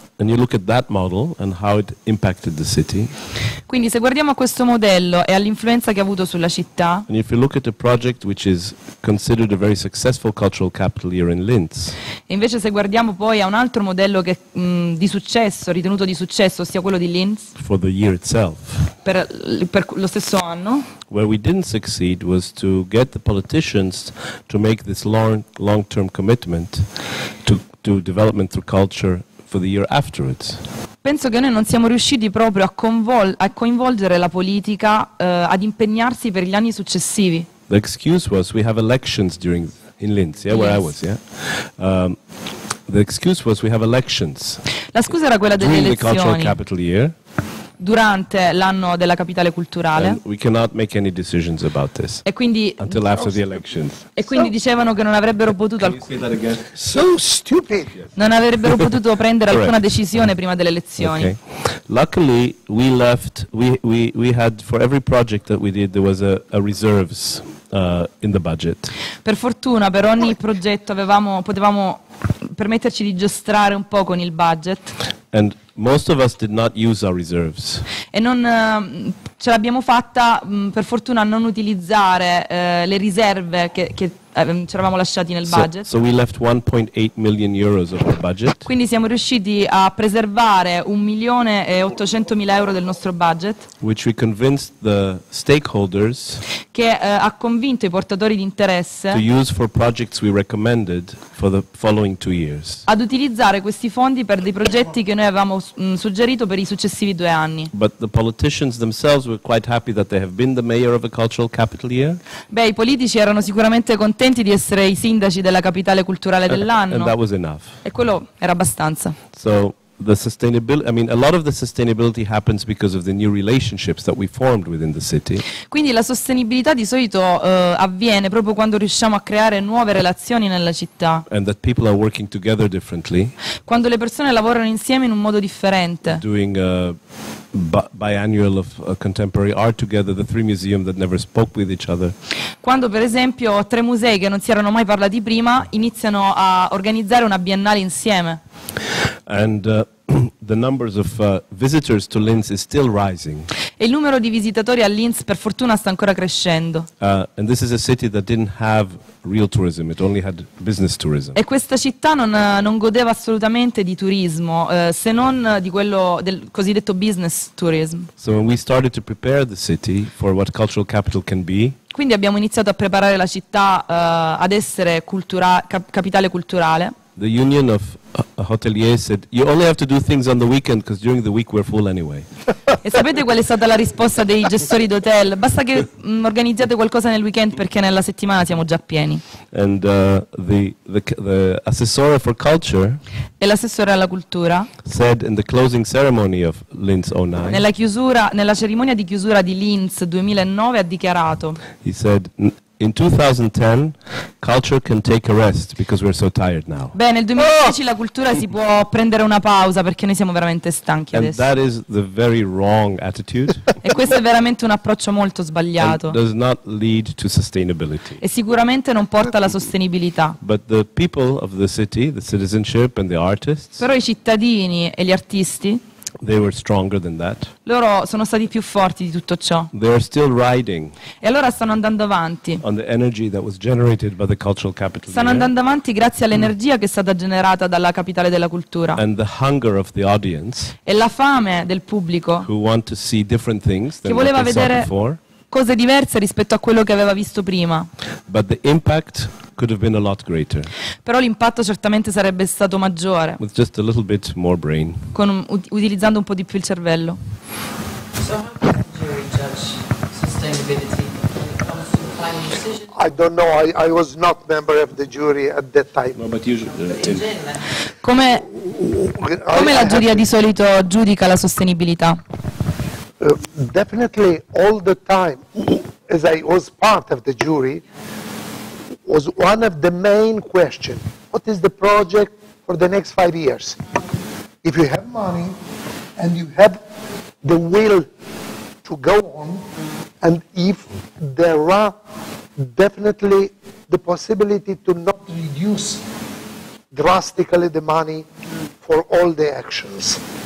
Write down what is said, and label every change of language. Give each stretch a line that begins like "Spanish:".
English: And you look at that model and how it impacted the city.
Italian: Quindi se guardiamo a questo modello e all'influenza che ha avuto sulla città.
English: And if you look at a project which is considered a very successful cultural capital here in Linz.
Italian: E invece se guardiamo poi a un altro modello che di successo, ritenuto di successo, ossia quello di Linz.
English: For the year itself.
Italian: Per lo stesso anno.
English: Where we didn't succeed was to get the politicians to make this long-term commitment to development through culture for the year afterwards.
Italian: Penso che noi non siamo riusciti proprio a coinvolgere la politica ad impegnarsi per gli anni successivi.
English: The excuse was we have elections during in Linz, yeah, where I was, yeah. The excuse was we have elections.
Italian: La scusa era quella delle elezioni.
English: During the cultural capital year.
Italian: Durante l'anno della capitale culturale.
English: And we cannot make any decisions about this.
Italian: E quindi
English: until after the elections.
Italian: E quindi dicevano che non avrebbero potuto.
English: So stupid.
Italian: Non avrebbero potuto prendere alcuna decisione prima delle elezioni.
English: Okay. Luckily, we left. We had for every project that we did there was a reserves in the budget.
Italian: Per fortuna, per ogni progetto avevamo potevamo permetterci di giostrare un po' con il budget.
English: And most of us did not use our reserves.
Italian: E non ce l'abbiamo fatta per fortuna a non utilizzare le riserve che ci eravamo lasciati nel budget.
English: So we left 1.8 million euros of our budget.
Italian: Quindi siamo riusciti a preservare 1.800.000 euro del nostro budget.
English: Which we convinced the stakeholders.
Italian: Che ha convinto i portatori di interesse.
English: To use for projects we recommended for the following two years.
Italian: Ad utilizzare questi fondi per dei progetti che noi avevamo suggerito per i successivi due anni.
English: But the politicians themselves were quite happy that they have been the mayor of a cultural capital year.
Italian: Beh, i politici erano sicuramente contenti. Contenti di essere i sindaci della capitale culturale dell'anno.
English: And that was enough.
Italian: E quello era abbastanza.
English: So the sustainability, I mean, a lot of the sustainability happens because of the new relationships that we formed within the city.
Italian: Quindi la sostenibilità di solito avviene proprio quando riusciamo a creare nuove relazioni nella città.
English: And that people are working together differently.
Italian: Quando le persone lavorano insieme in un modo differente.
English: Doing a biennial of contemporary art together, the three museums that never spoke with each other.
Italian: Quando per esempio tre musei che non si erano mai parlati prima iniziano a organizzare una biennale insieme.
English: And the numbers of visitors to Linz is still rising.
Italian: E il numero di visitatori a Linz per fortuna sta ancora crescendo.
English: And this is a city that didn't have real tourism, it only had business tourism.
Italian: E questa città non godeva assolutamente di turismo, se non di quello del cosiddetto business tourism.
English: So when we started to prepare the city for what cultural capital can be.
Italian: Quindi abbiamo iniziato a preparare la città ad essere capitale culturale.
English: The union of hoteliers said, "You only have to do things on the weekend because during the week we're full anyway."
Italian: E sapete qual è stata la risposta dei gestori d'hotel? Basta che organizziate qualcosa nel weekend perché nella settimana siamo già pieni.
English: And the assessor for culture.
Italian: E l'assessore alla cultura.
English: Said in the closing ceremony of Linz 09.
Italian: Nella cerimonia di chiusura di Linz 2009 ha dichiarato.
English: He said. In 2010, culture can take a rest because we're so tired now.
Italian: Beh, nel 2010 la cultura si può prendere una pausa perché noi siamo veramente stanchi
English: and
Italian: adesso.
English: That is the very wrong attitude.
Italian: E questo è veramente un approccio molto sbagliato.
English: And does not lead to sustainability.
Italian: E sicuramente non porta alla sostenibilità.
English: But the people of the city, the citizenship and the artists.
Italian: Però i cittadini e gli artisti.
English: They were stronger than that.
Italian: Loro sono stati più forti di tutto ciò.
English: They are still riding.
Italian: E allora stanno andando avanti.
English: On the energy that was generated by the cultural capital.
Italian: Stanno andando avanti grazie all'energia che è stata generata dalla capitale della cultura.
English: And the hunger of the audience.
Italian: E la fame del pubblico.
English: Who want to see different things than
Italian: che voleva vedere
English: before.
Italian: Cose diverse rispetto a quello che aveva visto prima.
English: But the impact could have been a lot greater.
Italian: Però l'impatto certamente sarebbe stato maggiore.
English: With just a little bit more brain.
Italian: Utilizzando un po' di più il cervello.
English: So how can you judge sustainability? I don't know. I was not member of the jury at that time. No, but usually.
Italian: Come la giuria di solito giudica la sostenibilità?
English: Definitely all the time, as I was part of the jury, was one of the main questions. What is the project for the next 5 years? If you have money and you have the will to go on, and if there are definitely the possibility to not reduce drastically the money for all the actions.